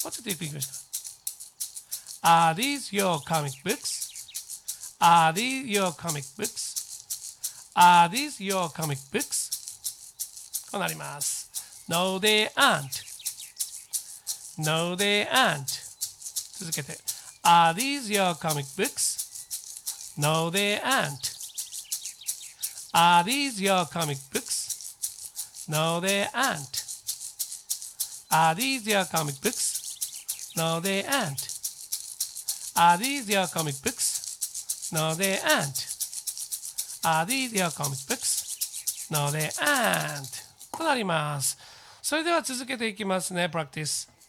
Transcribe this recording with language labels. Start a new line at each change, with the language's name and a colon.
Japanese: もうちょっとゆっくりいきましょう。
English: Are these your comic books? Are these your comic books? Are these your comic books?
Japanese: こうなります。
English: No, they aren't. No, they aren't.
Japanese: 続けて。
English: Are these your comic books? No, they aren't. Are these your comic books? No, they aren't. Are these your comic books? No, they aren't. Are these your comic books? No, they aren't. Are these your comic books? No, they aren't.
Japanese: となります。それでは続けていきますね、practice.